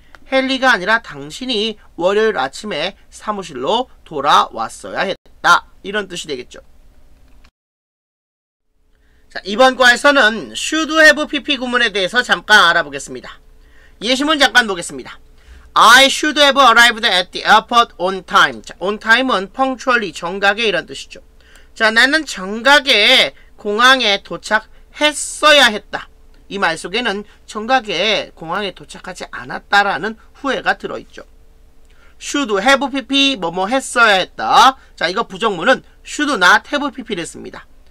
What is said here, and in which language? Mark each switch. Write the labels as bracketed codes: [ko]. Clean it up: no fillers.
[ko] 헨리가 아니라 당신이 월요일 아침에 사무실로 돌아왔어야 했다. 이런 뜻이 되겠죠. 자, 이번 과에서는 should have PP 구문에 대해서 잠깐 알아보겠습니다. 예시문 잠깐 보겠습니다. [en] I should have arrived at the airport on time. [ko] 자, on time은 punctually, 정각에 이런 뜻이죠. 자, 나는 정각에 공항에 도착했어야 했다. 이 말 속에는 정각에 공항에 도착하지 않았다라는 후회가 들어있죠. should have PP 뭐뭐 했어야 했다. 자, 이거 부정문은 should not have PP를 씁니다.